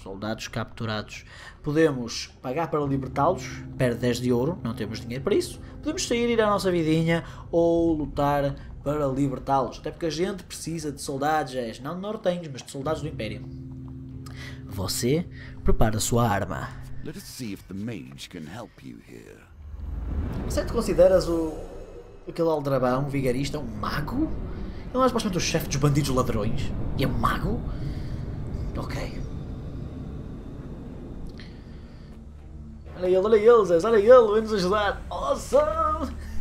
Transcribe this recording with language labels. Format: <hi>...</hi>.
<pt>Soldados capturados. Podemos pagar para libertá-los, perde 10 de ouro, não temos dinheiro para isso. Podemos sair e ir à nossa vidinha ou lutar para libertá-los. Até porque a gente precisa de soldados, não de nortenhos, mas de soldados do Império. Você prepara a sua arma.</pt> <en>Let's see if the mage can help you here.</en> <pt>Você te consideras aquele aldrabão vigarista um mago? Ele é supostamente o chefe dos bandidos ladrões. E é um mago? Ok. Olha ele, Zez, olha ele, vem-nos ajudar.</pt> <en>Awesome!</en>